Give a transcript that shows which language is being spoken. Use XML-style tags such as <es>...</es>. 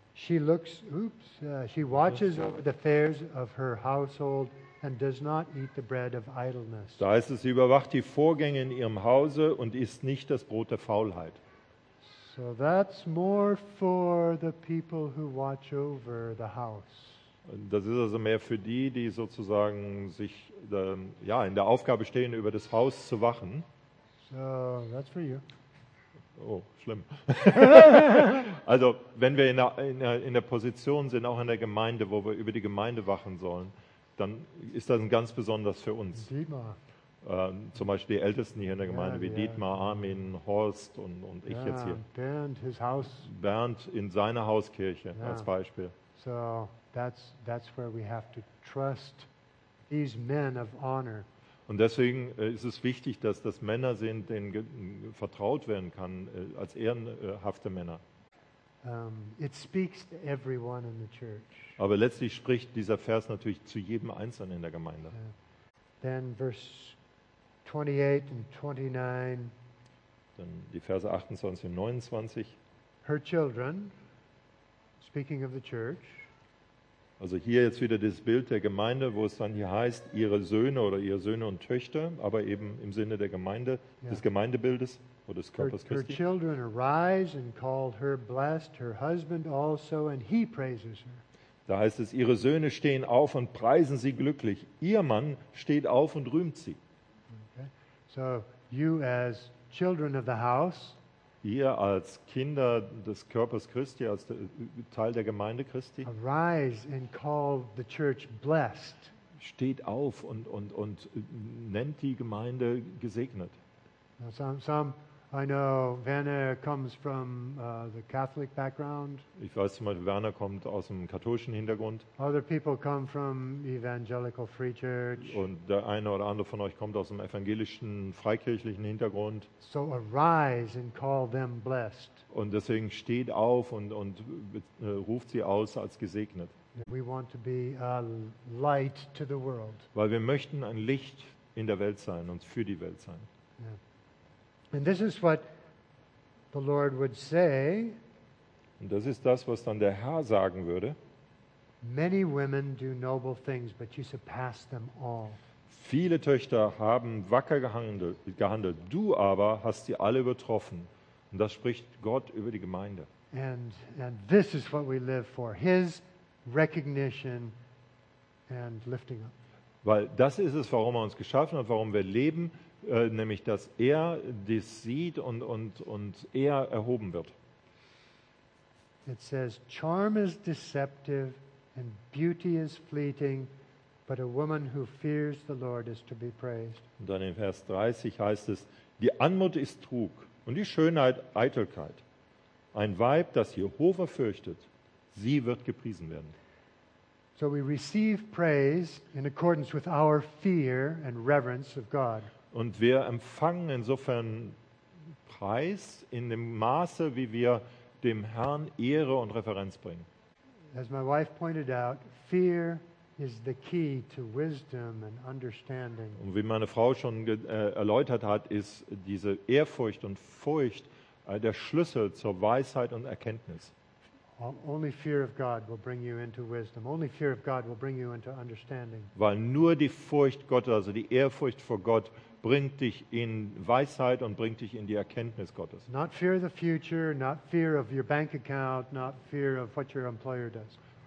<en>She watches over the affairs of her household and does not eat the bread of idleness.</en> <de>Da heißt es, sie überwacht die Vorgänge in ihrem Hause und isst nicht das Brot der Faulheit.</de> <en>So that's more for the people who watch over the house.</en> <de>Das ist also mehr für die sozusagen sich ja in der Aufgabe stehen, über das Haus zu wachen.</de> <en>So that's for you.</en> <de>Oh, schlimm. Also, wenn wir in der Position sind, auch in der Gemeinde, wo wir über die Gemeinde wachen sollen, dann ist das ganz besonders für uns. Dietmar. Zum Beispiel die Ältesten hier in der Gemeinde, yeah, wie Dietmar, yeah. Armin, Horst und ich jetzt hier.</de> <en>Bernd, his house.</en> <de>Bernd in seiner Hauskirche als Beispiel.</de> <en>So, that's where we have to trust these men of honor.</en> <de>Und deswegen ist es wichtig, dass das Männer sind, denen vertraut werden kann, als ehrenhafte Männer.</de> <en>It speaks to everyone in the church.</en> <de>Aber letztlich spricht dieser Vers natürlich zu jedem Einzelnen in der Gemeinde.</de> <en>Then verse 28 and 29.</en> <de>Dann die Verse 28 und 29.</de> <en>Her children, speaking of the church.</en> <de>Also hier jetzt wieder das Bild der Gemeinde, wo es dann hier heißt, ihre Söhne oder ihre Söhne und Töchter, aber eben im Sinne der Gemeinde, des Gemeindebildes oder des Körpers Christi.</de> <en>Her children arise and called her blessed, her husband also, and he praises her.</en> <de>Da heißt es, ihre Söhne stehen auf und preisen sie glücklich. Ihr Mann steht auf und rühmt sie. Okay.</de> <en>So, you as children of the house.</en> <de>Ihr als Kinder des Körpers Christi, als Teil der Gemeinde Christi,</de> <en>arise and call the church blessed.</en> <de>Steht auf und nennt die Gemeinde gesegnet.</de> <en>Some I know Werner comes from the Catholic background.</en> <de>Ich weiß zum Beispiel, Werner kommt aus dem katholischen Hintergrund.</de> <en>Other people come from Evangelical Free Church.</en> <de>Und der eine oder andere von euch kommt aus dem evangelischen freikirchlichen Hintergrund.</de> <en>So arise and call them blessed.</en> <de>Und deswegen steht auf und ruft sie aus als gesegnet.</de> <en>We want to be a light to the world.</en> <de>Weil wir möchten ein Licht in der Welt sein und für die Welt sein. Yeah.</de> <en>And this is what the Lord would say.</en> <de>Und das ist das, was dann der Herr sagen würde.</de> <en>Many women do noble things, but you surpass them all.</en> <de>Viele Töchter haben wacker gehandelt, du aber hast sie alle übertroffen. Und das spricht Gott über die Gemeinde.</de> <en>And this is what we live for, his recognition and lifting up.</en> <de>Weil das ist es, warum er uns geschaffen hat, warum wir leben. Nämlich, dass er dies sieht und er erhoben wird.</de> <en>It says, charm is deceptive and beauty is fleeting, but a woman who fears the Lord is to be praised.</en> <de>Und dann in Vers 30 heißt es, die Anmut ist Trug und die Schönheit Eitelkeit. Ein Weib, das Jehova fürchtet, sie wird gepriesen werden.</de> <en>So we receive praise in accordance with our fear and reverence of God.</en> <de>Und wir empfangen insofern Preis in dem Maße, wie wir dem Herrn Ehre und Reverenz bringen.</de> <en>As my wife pointed out, fear is the key to wisdom and understanding.</en> <de>Und wie meine Frau schon erläutert hat, ist diese Ehrfurcht und Furcht der Schlüssel zur Weisheit und Erkenntnis.</de> <en>Only fear of God will bring you into wisdom. Only fear of God will bring you into understanding.</en> <de>Weil nur die Furcht Gottes, also die Ehrfurcht vor Gott, bringt dich in Weisheit und bringt dich in die Erkenntnis Gottes.</de> <en>Not fear of the future, not fear of your bank account, not fear of what your employer does.</en>